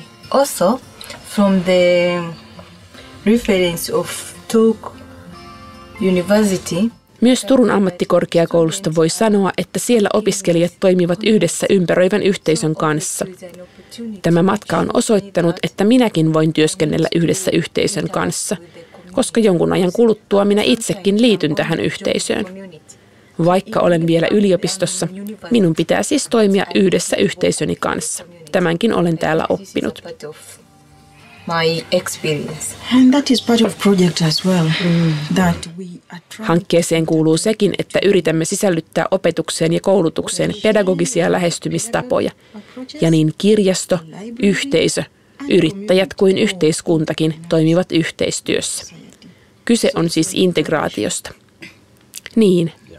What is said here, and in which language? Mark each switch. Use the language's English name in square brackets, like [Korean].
[English] Also, from the reference of Turk University, [Finnish] myös Turun ammattikorkeakoulusta voi sanoa, että siellä opiskelijat toimivat yhdessä ympäröivän yhteisön kanssa. Tämä matka on osoittanut, että minäkin voin työskennellä yhdessä yhteisön kanssa, koska jonkun ajan kuluttua minä itsekin liityn tähän yhteisöön. Vaikka olen vielä yliopistossa, minun pitää siis toimia yhdessä yhteisöni kanssa. Tämänkin olen täällä oppinut. [English] My experience. And that is part of project as well, that we are trying. [Finnish] Hankkeeseen kuuluu sekin, että yritämme sisällyttää opetukseen ja koulutukseen pedagogisia lähestymistapoja. Ja niin kirjasto, yhteisö, yrittäjät kuin yhteiskuntakin toimivat yhteistyössä. Kyse on siis integraatiosta. Niin.